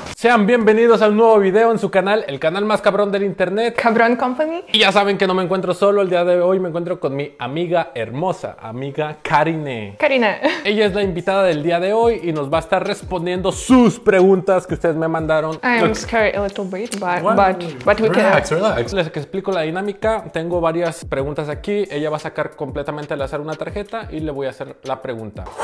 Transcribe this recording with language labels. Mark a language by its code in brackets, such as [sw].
[es] Sean bienvenidos al nuevo video en su canal, el canal más cabrón del internet. Cabrón Company. Y ya saben que no me encuentro solo, el día de hoy me encuentro con mi amiga hermosa, amiga Karine. Karine. Ella es la invitada del día de hoy y nos va a estar respondiendo sus preguntas que ustedes me mandaron. [en] I'm scared a little bit, but we can relax. [es] Les explico la dinámica. Tengo varias preguntas aquí. Ella va a sacar completamente al azar una tarjeta y le voy a hacer la pregunta.